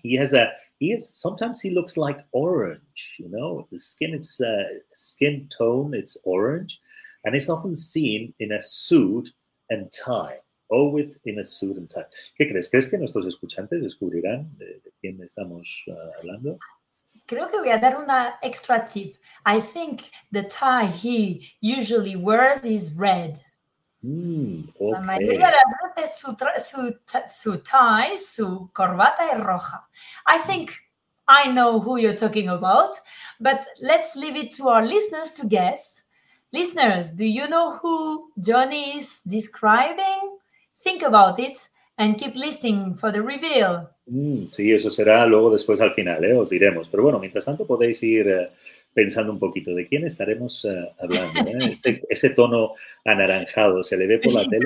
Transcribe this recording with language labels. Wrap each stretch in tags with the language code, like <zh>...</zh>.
<en>He has a he is sometimes he looks like orange, you know, the skin, it's skin tone, it's orange, and it's often seen in a suit and tie. Always in a suit and tie.</en> <es>¿Qué crees? ¿Crees que nuestros escuchantes descubrirán de quién estamos hablando? Creo que voy a dar una</es> <en>extra tip. I think the tie he usually wears is red. Okay.</en> <es>La mayoría de las veces su tie, su corbata es roja.</es> <en>I think I know who you're talking about, but let's leave it to our listeners to guess. Listeners, do you know who Johnny is describing? Think about it and keep listening for the reveal.</en> <es>Sí, eso será luego después al final, ¿eh? Os diremos. Pero bueno, mientras tanto podéis ir pensando un poquito de quién estaremos hablando, ¿eh? Ese tono anaranjado se le ve por la tele.</es>